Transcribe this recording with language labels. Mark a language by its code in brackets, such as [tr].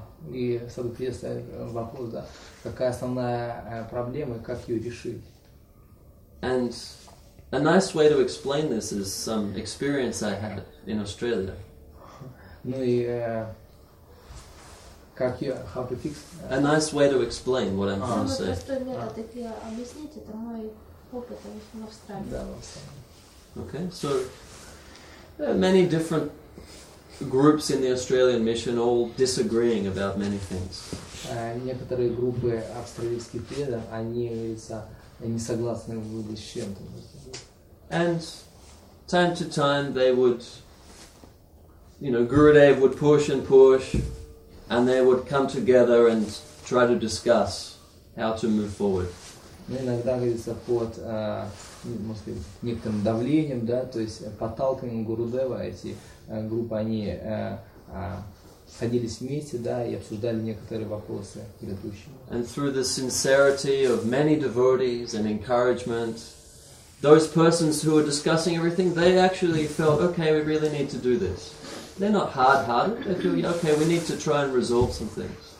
[ru] И Садупри ставит вопрос, да, какая основная проблема и как ее решить? [en] And a nice way to explain this is some experience I had in Australia. [ru] Ну и как я, [en] how to fix? A nice way to explain what I'm trying to say. [ru] Просто метод, как я объяснить, это мой опыт в Австралии. Да, в Австралии. [en] Okay, so there are many different groups in the Australian mission all disagreeing about many things. [ru] Некоторые группы австралийских преданных, они говорится, не согласны были с чем-то. [en] And time to time they would, you know, Gurudev would push and push, and they would come together and try to discuss how to move forward. [ru] Иногда, говорится, под, может быть, некоторым давлением, да, то есть подталкиванием Гурудева, эти группы, они садились вместе, да, и обсуждали некоторые вопросы предыдущие. [en] And through the sincerity of many devotees and encouragement, those persons who were discussing everything, they actually felt, okay, we really need to do this. They're not hard-hearted. They feel, okay, we need to try and resolve some things.